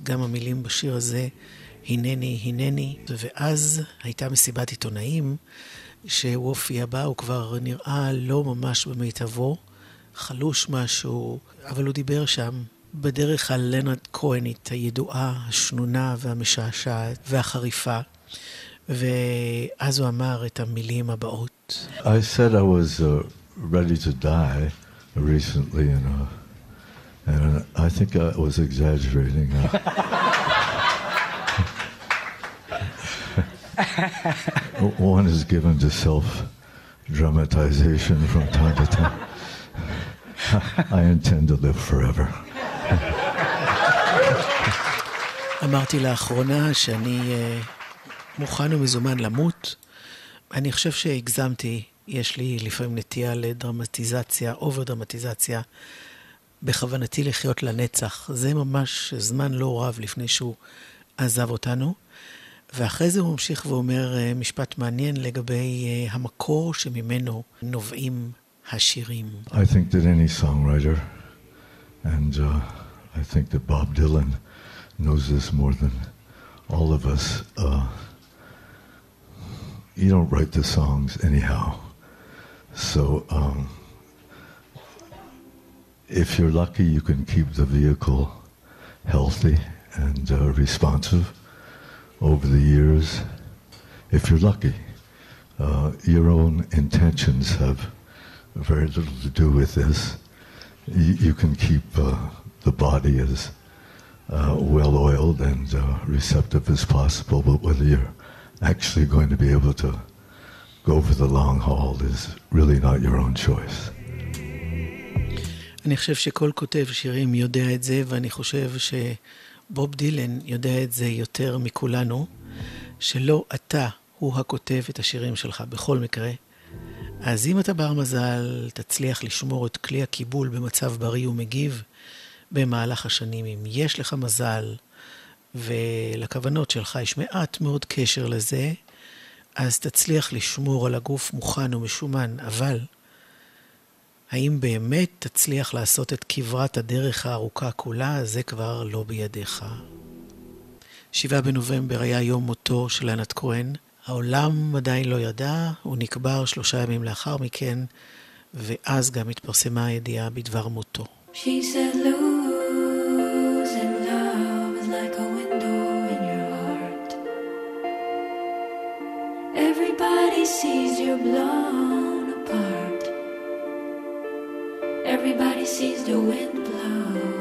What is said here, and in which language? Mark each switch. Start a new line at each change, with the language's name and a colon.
Hebrew: גם המילים בשיר הזה, הנני, הנני. ואז הייתה מסיבת עיתונאים שהוא הופיע בה, הוא כבר נראה לא ממש במיטבו, חלוש משהו, אבל הוא דיבר שם בדרך על לנרד כהנית הידועה, השנונה והמשעשעת והחריפה, ואז הוא אמר את המילים הבאות.
English: I said I was ready to die recently, you know, and I think I was exaggerating. One is given to self-dramatization from time to time. I intend to live forever.
Hebrew: אמרתי לאחרונה שאני מוכן ומזומן למות. אני חושב שהגזמתי, יש לי לפעמים נטייה לדרמטיזציה, אובר-דרמטיזציה, בכוונתי לחיות לנצח. זה ממש זמן לא רב לפני שהוא עזב אותנו. ואחרי זה הוא ממשיך ואומר משפט מעניין לגבי המקור שממנו נובעים השירים.
English: I think that any songwriter, and I think that Bob Dylan knows this more than all of us, you don't write the songs anyhow. So if you're lucky, you can keep the vehicle healthy and responsive over the years, if you're lucky. Your own intentions have very little to do with this. You can keep the body as well-oiled and receptive as possible, but whether you're actually going to be able to go for the long haul is really not your own choice.
Hebrew: אני חושב שכל כותב שירים יודע את זה, ואני חושב ש בוב דילן יודע את זה יותר מכולנו, שלא אתה הוא הכותב את השירים שלך בכל מקרה. אז אם אתה בר מזל, תצליח לשמור את כלי הקיבול במצב בריא ומגיב במהלך השנים. אם יש לך מזל ולכוונות שלך יש מעט מאוד קשר לזה, אז תצליח לשמור על הגוף מוכן ומשומן. אבל האם באמת תצליח לעשות את כברת הדרך הארוכה כולה? זה כבר לא בידיך. 7 בנובמבר היה יום מותו של לנרד כהן. העולם עדיין לא ידע, הוא נקבר 3 ימים לאחר מכן, ואז גם התפרסמה הידיעה בדבר מותו.
English: She said losing love is like a window in your heart. Everybody sees you're blown apart. Everybody sees the wind blow.